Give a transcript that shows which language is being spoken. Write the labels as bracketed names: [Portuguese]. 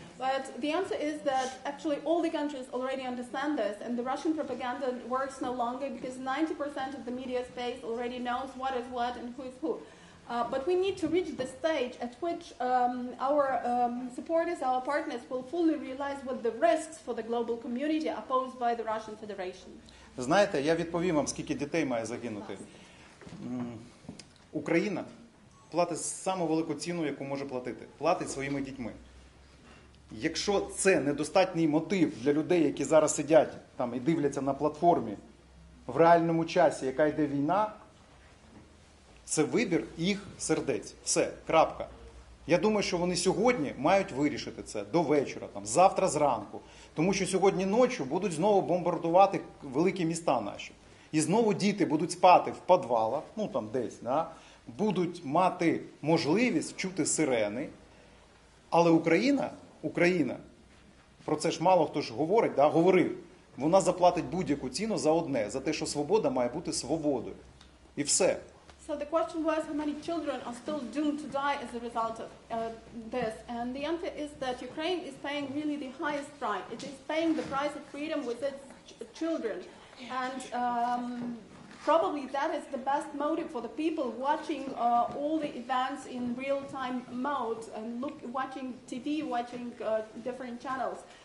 [English] But the answer is that actually all the countries already understand this, and the Russian propaganda works no longer because 90% of the media space already knows what is what and who is who. But we need to reach the stage at which our supporters, our partners, will fully realize what the risks for the global community are posed by the Russian Federation. [Ukrainian] Знаєте, я відповім вам, скільки дітей має загинути. Україна платить саму велику ціну, яку може платити. Платить своїми дітьми. Якщо це недостатній мотив для людей, які зараз сидять там і дивляться на платформі в реальному часі, яка йде війна, Це вибір їх сердець. Все, крапка. Я думаю, що вони сьогодні мають вирішити це до вечора, там, завтра зранку. Тому що сьогодні ночі будуть знову бомбардувати великі міста наші. І знову діти будуть спати в підвалах, ну там десь, да? Будуть мати можливість чути сирени. Але Україна, Україна, про це ж мало хто ж говорить, да? Говорив, вона заплатить будь-яку ціну за одне, за те, що свобода має бути свободою. І все. [English] So the question was how many children are still doomed to die as a result of this. And the answer is that Ukraine is paying really the highest price. It is paying the price of freedom with its children. And probably that is the best motive for the people watching all the events in real-time mode and watching TV, watching different channels.